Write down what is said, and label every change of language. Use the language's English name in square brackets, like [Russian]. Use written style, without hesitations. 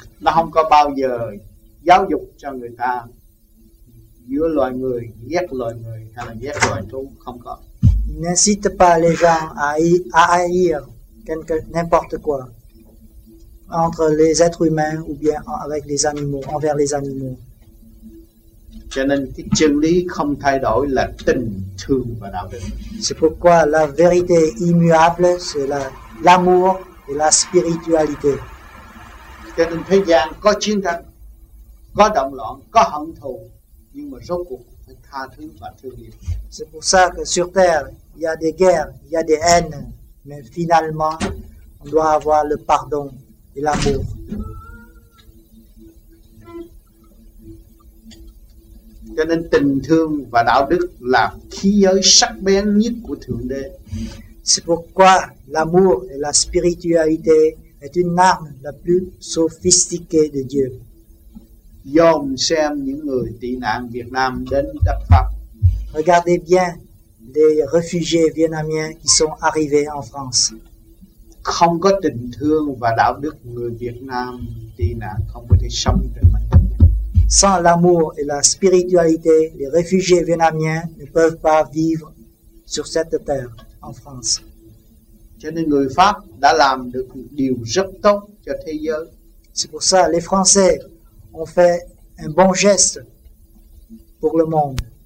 [Vietnamese] Nó không có bao giờ giáo dục cho người ta giữa loài người ghét loài người hay là ghét loài thú, không có. [French] Il n'incite pas les gens à haïr n'importe quoi entre les êtres humains ou bien avec les animaux, envers les animaux. [Vietnamese] Cho nên cái chân lý không thay đổi là tình thương và đạo đức. [French] C'est pourquoi la vérité immuable c'est la, l'amour et la spiritualité. [Vietnamese] Cho nên thế gian có chiến tranh, có động loạn, có hận thù, nhưng mà rốt cuộc phải tha thứ và thương yêu. [French] C'est pour ça que sur terre il y a des guerres, il y a des haines, mais finalement on doit avoir le pardon et l'amour. [Vietnamese] Cho nên tình thương và đạo đức là khí giới sắc bén nhất của Thượng Đế. [French] C'est pourquoi l'amour et la spiritualité est une arme la plus sophistiquée de Dieu. [Vietnamese] Dòm xem những người tị nạn Việt Nam đến đất Pháp. [French] Regardez bien les réfugiés vietnamiens qui sont arrivés en France. [Vietnamese] Không có tình thương và đạo đức, người Việt Nam tị nạn không có thể sống trên mặt. [French] Sans l'amour et la spiritualité, les réfugiés vietnamiens ne peuvent pas vivre sur cette terre en France. [Vietnamese] Cho nên người Pháp đã làm được điều rất tốt cho thế giới. [French] C'est pour ça que les Français ont fait un bon geste pour le monde.